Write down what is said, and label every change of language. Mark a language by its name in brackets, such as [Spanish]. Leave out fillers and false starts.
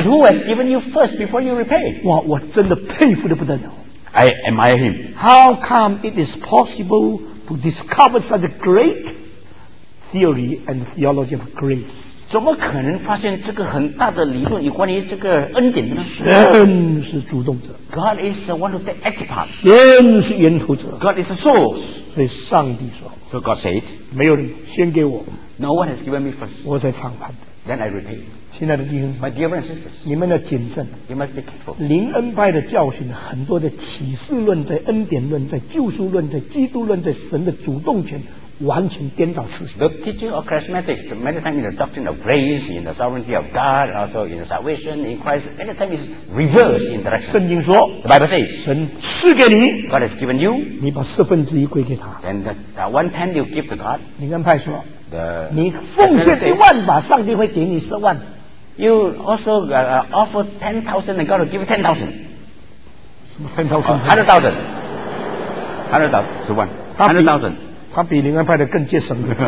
[English] But who has given you first before you repay? [Chinese] 哇，我真的佩服得不得了。 [English] I admire him. How come it is possible to discover such a great theory and theology of grace? [Chinese] 怎么可能发现这个很大的理论有关于这个恩典呢？神是主动者。 [English] God is the one who takes active part. [Chinese] 神是源头者。 [English] God is the source. [Chinese] 所以上帝说。 [English] So God said. [Chinese] 没有人先给我。 [English] No one has given me first. [Chinese] 我在偿还的。 [English] Then I repay. [Chinese] 亲爱的弟兄。 [English] My dear brothers and sisters. [Chinese] 你们要谨慎。 [English] You must be careful. [Chinese] 灵恩派的教训很多的启示论在恩典论在救赎论在基督论在神的主动权。完全颠倒事实。 [English] The teaching of charismatics, many times in the doctrine of grace, in the sovereignty of God, also in the salvation in Christ, many times is reversed in direction. [Chinese] 圣经说 [English] ，The Bible says, [Chinese] 神赐给你 [English] ，God has given you, [Chinese] 你把四分之一归给他。 [English] Then that one tenth you give to God. [Chinese] 灵恩派说 [English] ，The [Chinese] 你奉献一万把，上帝会给你十万。 [English] You also offer 10,000 and God will give 10,000. [Chinese] 什么 10,000？ [English] 100,000. 100,000, [Chinese] 十万。 [English] 100,000。 [Chinese] 他比灵恩派的更节省。